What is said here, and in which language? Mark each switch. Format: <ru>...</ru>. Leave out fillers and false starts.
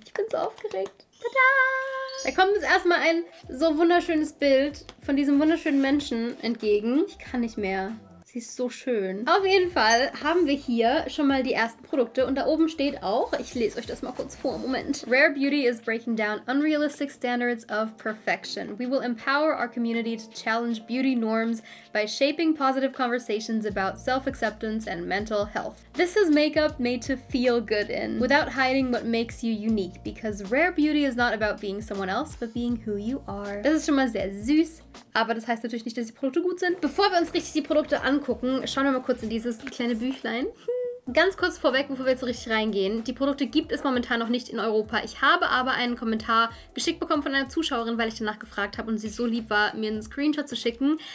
<de>Ich bin so aufgeregt. Tada! Da kommt uns erstmal ein so wunderschönes Bild von diesem wunderschönen Menschen entgegen. Ich kann nicht mehr. Sie ist so schön. Auf jeden Fall haben wir hier schon mal die ersten Produkte. Und da oben steht auch, ich lese euch das mal kurz vor, Moment.</de> <en>Rare Beauty is breaking down unrealistic standards of perfection. We will empower our community to challenge beauty norms by shaping positive conversations about self-acceptance and mental health. This is makeup made to feel good in, without hiding what makes you unique. Because Rare Beauty is not about being someone else, but being who you are.</en> <de>Das ist schon mal sehr süß. Aber das heißt natürlich nicht, dass die Produkte gut sind. Bevor wir uns richtig die Produkte angucken, schauen wir mal kurz in dieses kleine Büchlein. Ganz kurz vorweg, bevor wir jetzt so richtig reingehen. Die Produkte gibt es momentan noch nicht in Europa. Ich habe aber einen Kommentar geschickt bekommen von einer Zuschauerin, weil ich danach gefragt habe und sie so lieb war, mir einen Screenshot zu schicken.</de>